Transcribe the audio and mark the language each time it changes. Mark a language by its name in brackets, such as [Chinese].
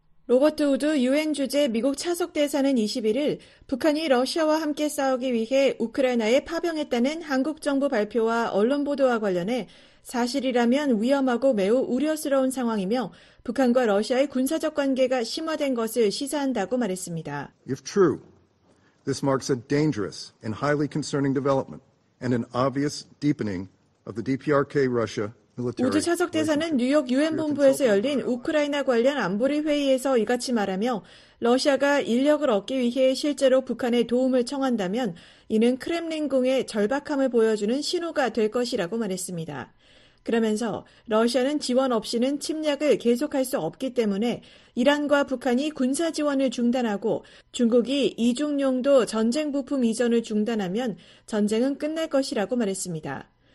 [Korean] 로버트 우드 유엔 주재 미국 차석 대사는 21일 북한이 러시아와 함께 싸우기 위해 우크라이나에 파병했다는 한국 정부 발표와 언론 보도와 관련해 사실이라면 위험하고 매우 우려스러운 상황이며 북한과 러시아의 군사적 관계가 심화된 것을 시사한다고 말했습니다. [English] If true, this marks a dangerous and highly concerning development and an obvious deepening of the DPRK Russia [Korean] 우드 차석 대사는 뉴욕 유엔 본부에서 열린 우크라이나 관련 안보리 회의에서 이같이 말하며 러시아가 인력을 얻기 위해 실제로 북한의 도움을 청한다면 이는 크렘린궁의 절박함을 보여주는 신호가 될 것이라고 말했습니다. 그러면서 러시아는 지원 없이는 침략을 계속할 수 없기 때문에 이란과 북한이 군사 지원을 중단하고 중국이 이중용도 전쟁 부품 이전을 중단하면 전쟁은 끝날 것이라고 말했습니다.